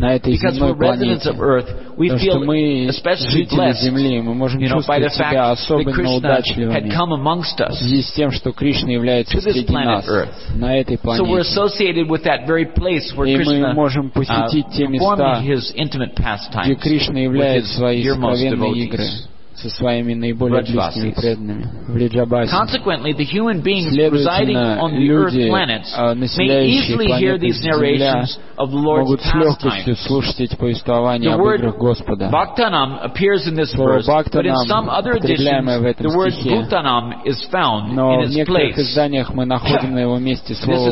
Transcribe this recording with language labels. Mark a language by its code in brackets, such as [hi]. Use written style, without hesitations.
[en] Because we're residents of earth, we feel especially blessed, you know, by the fact that Krishna had come amongst us to this planet earth. So we're associated with that very place where Krishna performed his intimate pastimes, [ru] где Кришна являет свои сокровенные игры со своими наиболее близкими преданными в Риджабасе. [en] Consequently, the human beings residing on the earth planets may easily hear these narrations of the Lord's pastimes. The word bhaktanam appears in this verse, but in some other editions, the word bhutanam is found in its place. [ru] В изданиях мы находим на его месте слово